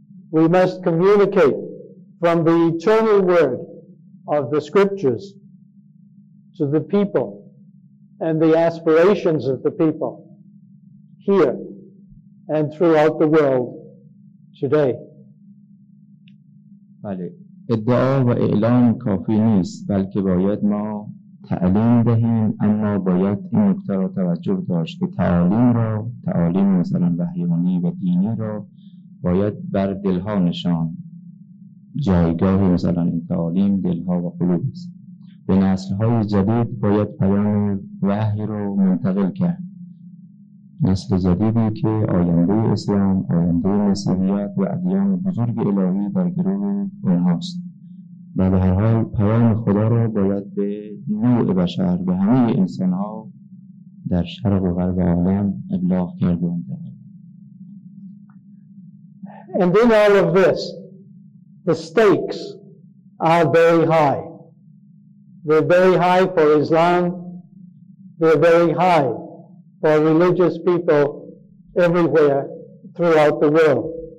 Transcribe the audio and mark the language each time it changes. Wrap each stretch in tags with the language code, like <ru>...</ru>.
<en>We must communicate from the eternal word of the scriptures to the people and the aspirations of the people here and throughout the world today.</en> <fa>بله، ادعا و اعلان کافی نیست، بلکه باید ما تعلیم دهیم، اما باید این نکته را توجه داشت که تعلیم را، تعلیم مثلا وحیانی و دینی را باید بر دلها نشان، جایگاه مثلا این تعالیم دلها و قلوب است. به نسلهای جدید باید پیام وحی رو منتقل کرد، نسل جدیدی که آینده اسلام، آینده مسیحیت و ادیان بزرگ الهی در گروه اونهاست. و به هر حال پیام خدا رو باید به نوع بشر، به همه انسانها در شرق و غرب عالم ابلاغ کرد و منتقل.</fa> <en>And in all of this, the stakes are very high. They're very high for Islam. They're very high for religious people everywhere throughout the world.</en>